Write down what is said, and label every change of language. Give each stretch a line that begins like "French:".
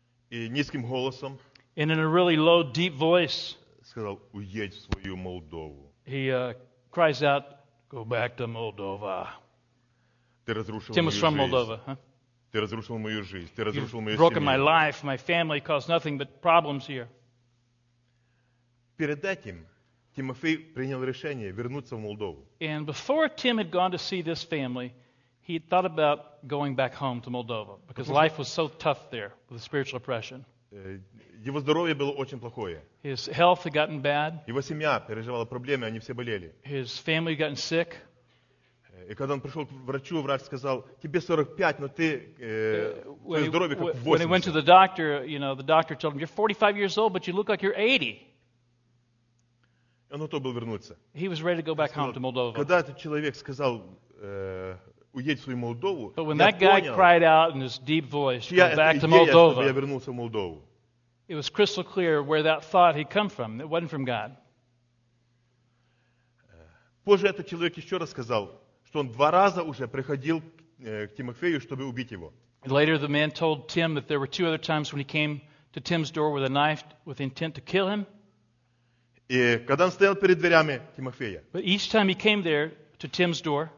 Russian: И низким голосом.
English: And in a really low, deep voice.
Russian: Сказал, уедь в свою Молдову.
English: He cries out, go back to Moldova. Tim was from Moldova, huh?
Russian: Ты разрушил мою жизнь. Ты разрушил мою семью.
English: Broken my life, my family, caused nothing but problems here.
Russian: Перед этим Тимофей принял решение вернуться в Молдову.
English: And before Tim had gone to see this family, he had thought about going back home to Moldova because life was so tough there with the spiritual oppression.
Russian: Его здоровье было очень плохое.
English: His health had gotten bad.
Russian: Его семья переживала проблемы, они все болели.
English: His family had gotten sick.
Russian: И когда он пришел к врачу, врач сказал: тебе 45, но ты твое здоровье как 80.
English: When he went to the doctor, you know, the doctor told him, you're 45 years old, but you look like you're 80.
Russian: Он готов был вернуться.
English: He was ready to go back home to Moldova.
Russian: Когда этот человек сказал уедет в свою Молдову,
English: but when that guy cried out in his deep voice, go back to Moldova,
Russian: я вернулся в Молдову.
English: It was crystal clear where that thought had come from. It wasn't from God.
Russian: Позже этот человек еще раз сказал, что он два раза уже приходил к Тимофею, чтобы убить его.
English: Later, the man told Tim that there were two other times when he came to Tim's door with a knife with intent to kill him.
Russian: И когда он стоял перед дверями Тимофея,
English: but each time he came there to Tim's door,